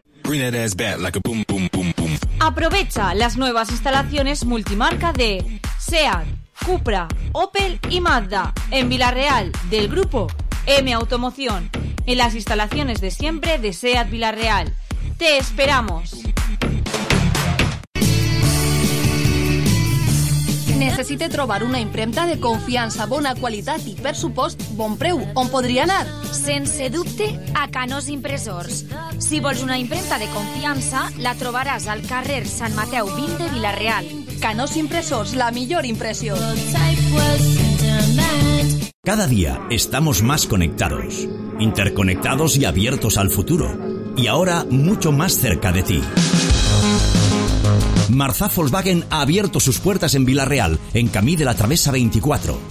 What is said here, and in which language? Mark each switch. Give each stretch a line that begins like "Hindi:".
English: Bring that ass back like a boom, boom, boom, boom.
Spanish: Aprovecha las nuevas instalaciones multimarca de SEAT, Cupra, Opel y Mazda en Villarreal del grupo M Automoción. En las instalaciones de siempre de SEAT Villarreal. ¡Te esperamos!
Catalan: Necessite trobar una impremta de confiança, bona qualitat i, per supost, bon preu. On podria anar? Sense dubte, a Canós Impressors. Si vols una impremta de confiança, la trobaràs al carrer Sant Mateu 20 de Villarreal. Canós Impressors, la millor impressió.
Spanish: Cada dia estamos más conectados, interconectados y abiertos al futuro. Y ahora mucho más cerca de ti. Marzá Volkswagen ha abierto sus puertas en Villarreal, en Camí de la Travesa 24.